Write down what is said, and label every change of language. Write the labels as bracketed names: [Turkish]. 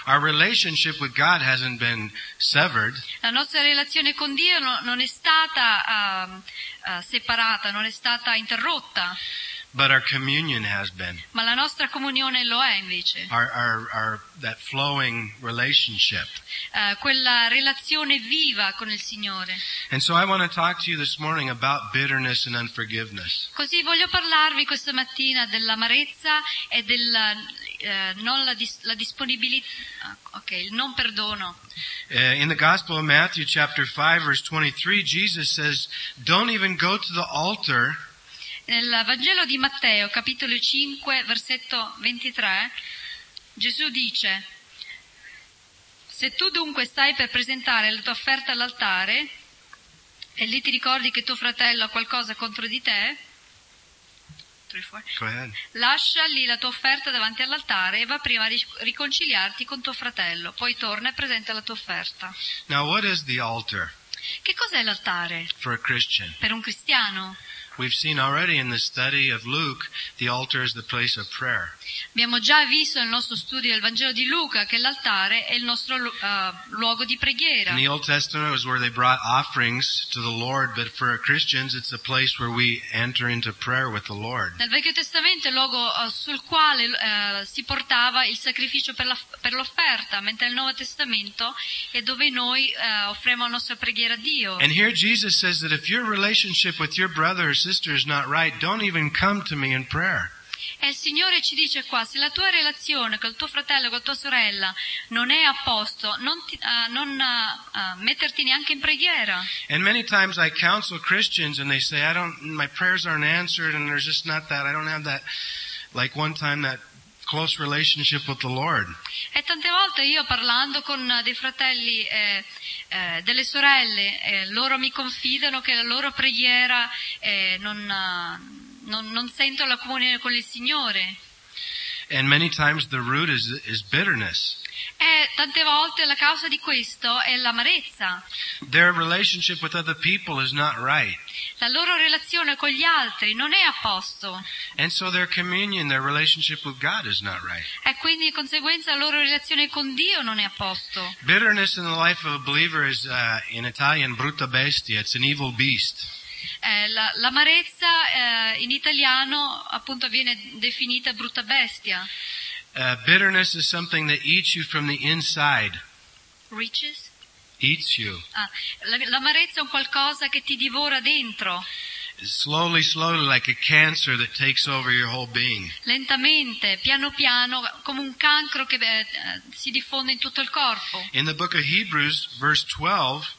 [English] Our relationship with God hasn't been severed. [Italian] La nostra relazione con Dio non è stata separata, non è stata interrotta. [English] But our communion has been. [Italian] Ma la nostra comunione lo è invece. [English] Our that flowing relationship. [Italian] Quella relazione viva con il Signore. [English] And so I want to talk to you this morning about bitterness and unforgiveness. [Italian] Così voglio parlarvi questa mattina dell'amarezza e della non la disponibilità. Okay, il non perdono. [English] In the Gospel of Matthew, chapter 5, verse 23, Jesus says, "Don't even go to the altar." [Italian] Nel Vangelo di Matteo, capitolo 5, versetto 23, Gesù dice, se tu dunque stai per presentare la tua offerta all'altare e lì ti ricordi che tuo fratello ha qualcosa contro di te, lascia lì la tua offerta davanti all'altare e va prima a riconciliarti con tuo fratello, poi torna e presenta la tua offerta. [English] Now what is the altar? [Italian] Che cos'è l'altare? [English] For a Christian. [Italian] Per un cristiano. [English] We've seen already in the study of Luke, the altar is the place of prayer. [Italian] Abbiamo già visto nel nostro studio del Vangelo di Luca che l'altare è il nostro luogo di preghiera. [English] In the Old Testament was where they brought offerings to the Lord, but for Christians it's a place where we enter into prayer with the Lord. [Italian] Nel Vecchio Testamento è il luogo sul quale si portava il sacrificio per l'offerta, mentre nel Nuovo Testamento è dove noi offriamo la nostra preghiera a Dio. [English] And here Jesus says that if your relationship with your brother or sister is not right, don't even come to me in prayer. [Italian] E il Signore ci dice qua, se la tua relazione col tuo fratello, con tua sorella non è a posto, non metterti neanche in preghiera. [English] And many times I counsel Christians and they say, I don't, my prayers aren't answered and there's just not that, I don't have that, like one time that close relationship with the Lord. [Italian] E tante volte io parlando con dei fratelli, delle sorelle, loro mi confidano che la loro preghiera non sento la comunione con il Signore. [English] And many times the root is bitterness. [Italian] E tante volte la causa di questo è l'amarezza. [English] Their relationship with other people is not right. [Italian] La loro relazione con gli altri non è a posto. [English] And so their communion, their relationship with God is not right. [Italian] E quindi in conseguenza la loro relazione con Dio non è a posto. [English] Bitterness in the life of a believer is in Italian [Italian] brutta bestia, [English] it's an evil beast. [Italian] L'amarezza in italiano appunto viene definita brutta bestia. [English] Bitterness is something that eats you from the inside. Reaches? Eats you. [Italian] L'amarezza è un qualcosa che ti divora dentro. [English] Slowly, slowly, like a cancer that takes over your whole being. [Italian] Lentamente, piano piano, come un cancro che si diffonde in tutto il corpo. [English] In the book of Hebrews, verse 12.